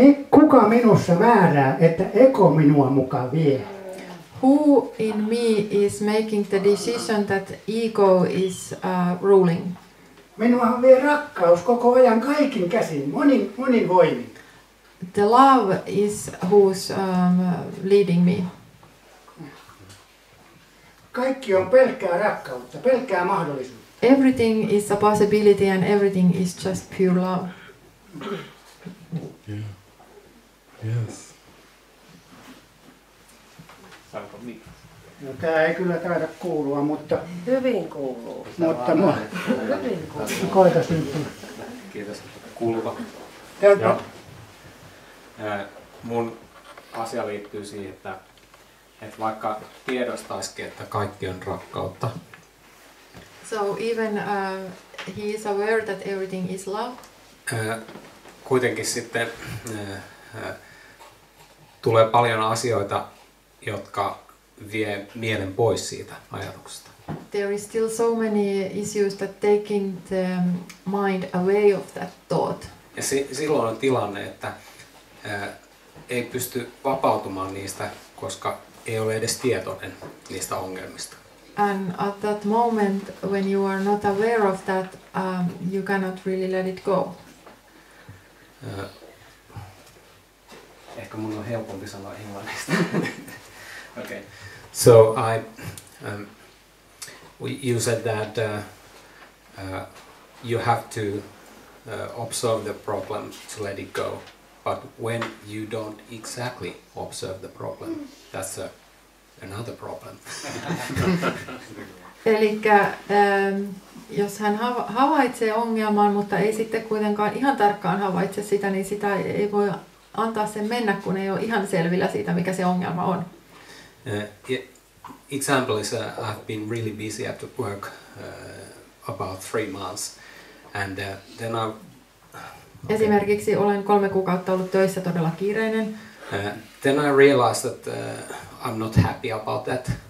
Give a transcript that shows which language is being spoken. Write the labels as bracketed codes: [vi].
[fi] Kuka minussa määrää, että ego minua mukaan vie? [en] Who in me is making the decision that ego is ruling? [fi] Minuahan vie rakkaus koko ajan kaikin käsin, monin voimin. [en] The love is who's leading me. [fi] Kaikki on pelkkää rakkautta, pelkkää mahdollisuutta. [en] Everything is a possibility and everything is just pure love. Yeah. Yes. [fi] No tää ei kyllä taida kuulua, mutta... Hyvin kuuluu. Mutta mua... Hyvin kuuluu. Koitas nyt. Kiitos, kuuluva. Täältä. Mun asia liittyy siihen, että vaikka tiedostaisikin, että kaikki on rakkautta. [en] So even he is aware that everything is love. [fi] Kuitenkin sitten tulee paljon asioita, jotka vie mielen pois siitä ajatuksesta. [en] there is still so many issues that taking the mind away of that thought. [fi] Ja silloin on tilanne, että ei pysty vapautumaan niistä, koska ei ole edes tietoinen niistä ongelmista. [en] And at that moment, when you are not aware of that, you cannot really let it go. [fi] Ehkä mun on helpompi sanoa englannista. Okay. [en] So I, you said that you have to observe the problem to let it go, but when you don't exactly observe the problem, that's a another problem. [fi] Elikkä jos hän havaitsee ongelman, mutta ei sitten kuitenkaan ihan tarkkaan havaitse sitä, niin sitä ei voi antaa sen mennä, kun ei ole ihan selvillä siitä, mikä se ongelma on. [en] Example is I've been really busy at the work about 3 months and then I [fi] esimerkiksi olen 3 kuukautta ollut töissä todella kiireinen. [en] Then I realized that I'm not happy about that.